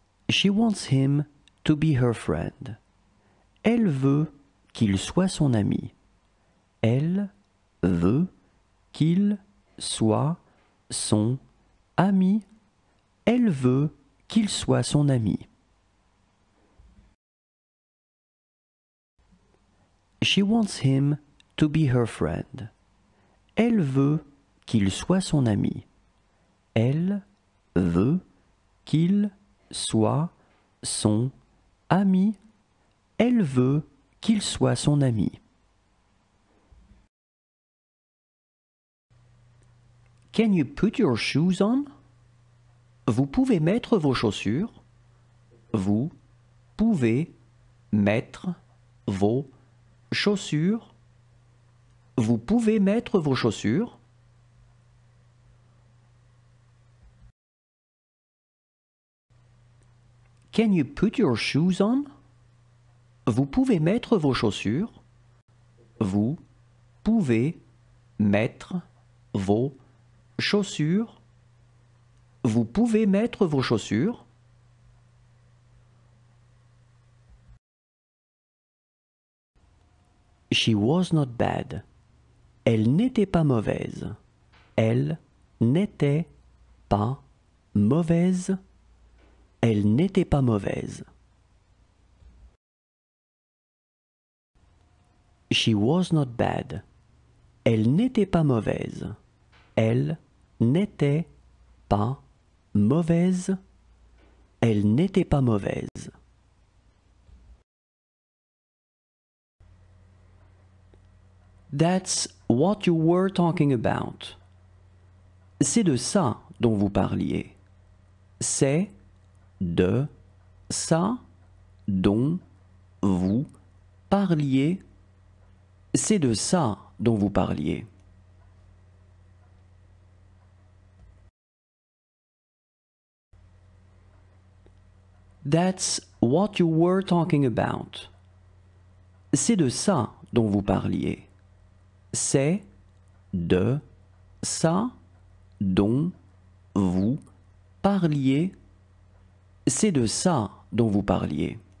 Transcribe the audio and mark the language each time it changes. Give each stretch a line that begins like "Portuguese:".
English: She wants him to be her friend.
French: Elle veut qu'il soit son ami. Elle veut qu'il soit son ami. Elle veut qu'il soit son ami.
English: She wants him to be her friend.
French: Elle veut qu'il soit son ami. Elle veut qu'il soit son ami. Elle veut qu'il soit son ami.
English: Can you put your shoes on?
French: Vous pouvez mettre vos chaussures. Vous pouvez mettre vos chaussures. Vous pouvez mettre vos chaussures.
English: Can you put your shoes on?
French: Vous pouvez mettre vos chaussures. Vous pouvez mettre vos chaussures. Vous pouvez mettre vos chaussures.
English: She was not bad.
French: Elle n'était pas mauvaise. Elle n'était pas mauvaise. Elle n'était pas mauvaise.
English: She was not bad.
French: Elle n'était pas mauvaise. Elle n'était pas mauvaise. Elle n'était pas mauvaise.
English: That's what you were talking about.
French: C'est de ça dont vous parliez. C'est de ça dont vous parliez. C'est de ça dont vous parliez.
English: That's what you were talking about.
French: C'est de ça dont vous parliez. C'est de, ça, dont, vous, parliez, c'est de ça dont vous parliez.